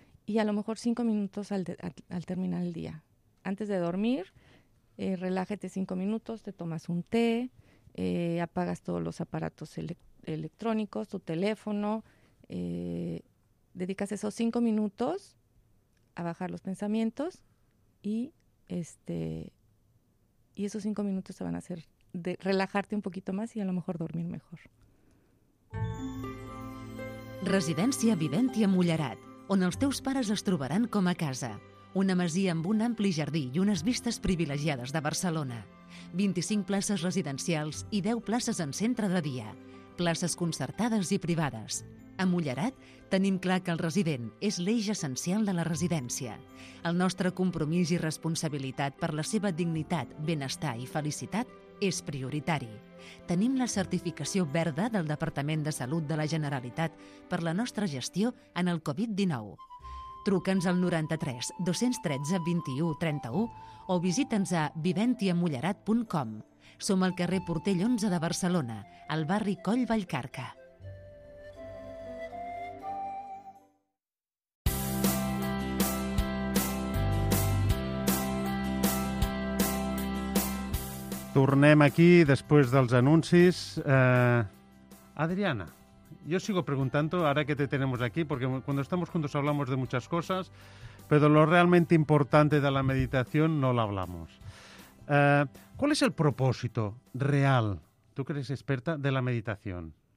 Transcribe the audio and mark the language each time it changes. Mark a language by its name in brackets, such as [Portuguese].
[Spanish] Y a lo mejor 5 minutos al terminar el día. Antes de dormir, relájate 5 minutos, te tomas un té, apagas todos los aparatos electrónicos, tu teléfono, dedicas esos 5 minutos a bajar los pensamientos y esos 5 minutos te van a hacer de relajarte un poquito más y a lo mejor dormir mejor. [Catalan] Residència Vivència Mollerat, on els teus pares es trobaran com a casa. Una masia amb un ampli jardí i unes vistes privilegiades de Barcelona. 25 places residencials i 10 places en centre de dia. Places concertades i privades. A Mollerat tenim clar que el resident és l'eix essencial de la residència. El nostre compromís i responsabilitat per la seva dignitat, benestar i felicitat és prioritari. Tenim la certificació verda del Departament de Salut de la Generalitat per la nostra gestió en el Covid-19. Truca'ns al 93 213 21 31 o visita'ns a viventiamollerat.com. Som al carrer Portell 11 de Barcelona, al barri Coll Vallcarca. Tornem aquí després dels anuncis. [Spanish] Adriana, yo sigo preguntando ahora que te tenemos aquí, porque cuando estamos juntos hablamos de muchas cosas, pero lo realmente importante de la meditación no lo hablamos. ¿Cuál es el propósito real, tú que eres experta, de la meditación?